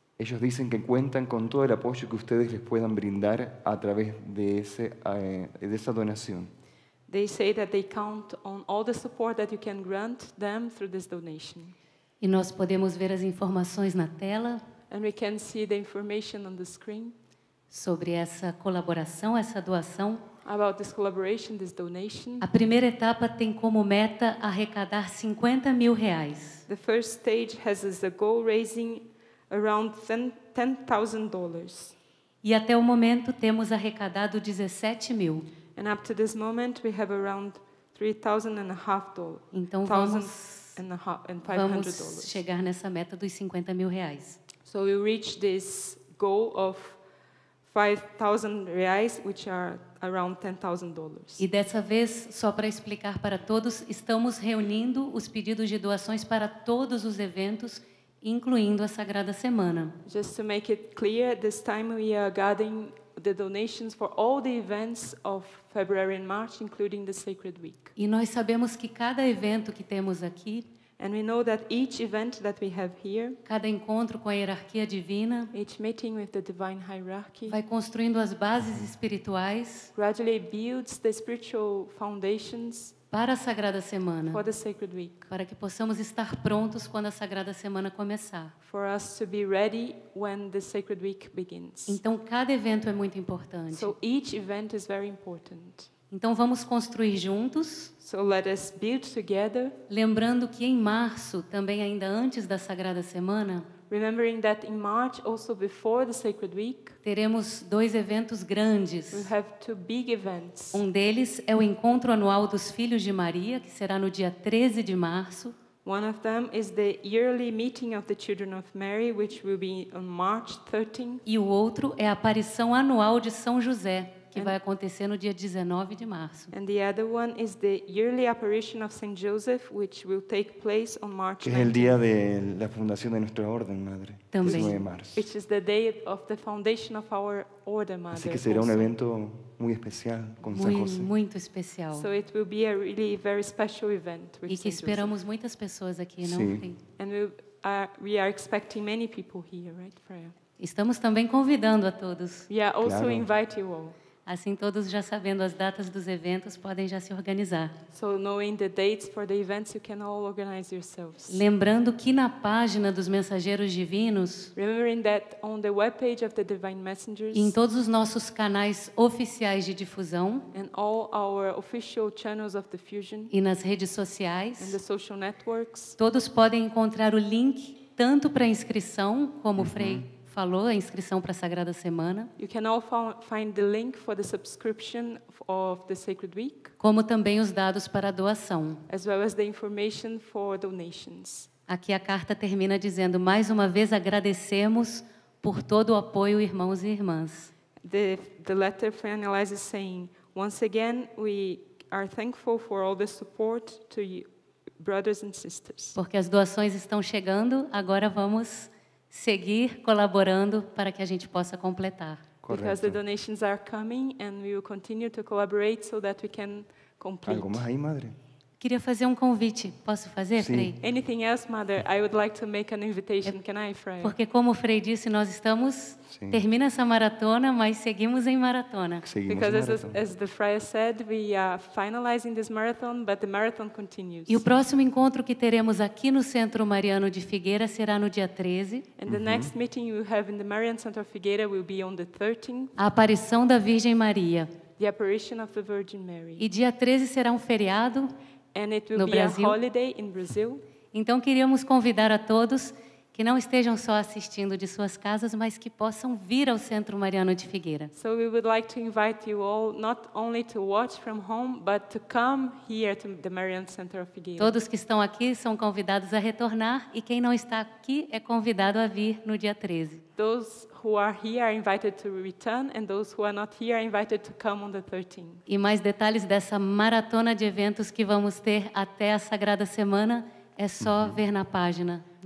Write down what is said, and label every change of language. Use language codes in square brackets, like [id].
[es] Ellos dicen que cuentan con todo el apoyo que ustedes les puedan brindar a través de esa donación. [en] They say that they count on all the support that you can grant them through this donation. [pt] E nós podemos ver as informações na tela. [en] And we can see the information on the screen. [pt] Sobre essa colaboração, essa doação. [en] About this collaboration, this donation. [pt] A primeira etapa tem como meta arrecadar 50 mil reais. [en] The first stage has as a goal raising around $10,000. [pt] E até o momento temos arrecadado 17 mil. [en] And up to this moment we have around $3,500. [pt] Então vamos chegar nessa meta dos 50 mil reais. [en] So we reach this goal of 5,000 reais, which are around $10,000. [pt] E dessa vez, só para explicar para todos, estamos reunindo os pedidos de doações para todos os eventos, incluindo a Sagrada Semana. [en] Just to make it clear, this time we are gathering the donations for all the events of February and March, including the Sacred Week. [pt] E nós sabemos que cada evento que temos aqui, [en] and we know that each event that we have here, [pt] cada encontro com a hierarquia divina, [en] each meeting with the divine hierarchy, [pt] vai construindo as bases espirituais, [en] gradually builds the spiritual foundations, [pt] para a Sagrada Semana, [en] for the Sacred Week, [pt] para que possamos estar prontos quando a Sagrada Semana começar, [en] for us to be ready when the Sacred Week begins. [pt] Então cada evento é muito importante. [en] So each event is very important. [pt] Então vamos construir juntos. [en] So let us build together. [pt] Lembrando que em março, também ainda antes da Sagrada Semana, [en] remembering that in March, also before the Sacred Week, [pt] teremos dois eventos grandes. [en] We have two big events. [pt] Um deles é o encontro anual dos filhos de Maria, que será no dia 13 de março. [en] One of them is the yearly meeting of the children of Mary, which will be on March 13. [pt] E o outro é a aparição anual de São José, que vai acontecer no dia 19 de março. [en] And the other one is the yearly apparition of Saint Joseph, which will take place on March 19. [es] Que es el día de la fundación de nuestra orden, madre. También. 19 de marzo. [en] Which is the day of the foundation of our order, mother. [es] Así que será un evento muy especial con San José. [pt] Muito especial. [en] So it will be a really very special event with Saint Joseph. [pt] E que esperamos muitas pessoas aqui, não? Sim. [en] And we are expecting many people here, right, Freya? [pt] Estamos também convidando a todos. [en] We are also inviting you all. [pt] Assim, todos já sabendo as datas dos eventos, podem já se organizar. [en] So, knowing the dates for the events, you can all organize yourselves. [pt] Lembrando que na página dos mensageiros divinos, [en] remembering that on the webpage of the divine messengers, [pt] em todos os nossos canais oficiais de difusão, [en] and all our official channels of diffusion, [pt] e nas redes sociais, [en] and the social networks, [pt] todos podem encontrar o link tanto para a inscrição como o Frei falou, a inscrição para a Sagrada Semana. [en] You can all find the link for the subscription of the Sacred Week. [pt] Como também os dados para a doação. [en] As well as the information for donations. [pt] Aqui a carta termina dizendo, mais uma vez agradecemos por todo o apoio, irmãos e irmãs. [en] The letter finalizes saying, once again, we are thankful for all the support to you, brothers and sisters. [pt] Porque as doações estão chegando, agora vamos seguir colaborando para que a gente possa completar. Correto. [en] Because the donations are coming and we will continue to collaborate so that we can complete. [pt] Algo mais aí, madre? Queria fazer um convite. Posso fazer, Sim. Frei? [en] Anything else, mother? I would like to make an invitation. Can I, Frei? [pt] Porque como o Frei disse, nós estamos Sim. termina essa maratona, mas seguimos em maratona. Seguimos [en] Because [pt] em maratona. [en] As the Frei said, we are finalizing this marathon, but the marathon continues. [pt] E o próximo encontro que teremos aqui no Centro Mariano de Figueira será no dia 13. [en] And the next meeting we have in the Marian Center of Figueira will be on the 13th. [pt] A aparição da Virgem Maria. [en] The apparition of the Virgin Mary. [pt] E dia 13 será um feriado. [en] And it will [pt] no [en] be [pt] Brasil. [en] A holiday in Brazil. [pt] Então queríamos convidar a todos que não estejam só assistindo de suas casas, mas que possam vir ao Centro Mariano de Figueira. [en] So we would like to invite you all not only to watch from home, but to come here to the Marian Center of Figueira. [pt] Todos que estão aqui são convidados a retornar e quem não está aqui é convidado a vir no dia 13. [en] Those who are here are invited to return and those who are not here are invited to come on the 13th. [pt] E mais detalhes dessa maratona de eventos que vamos ter até a Sagrada Semana é só ver na página.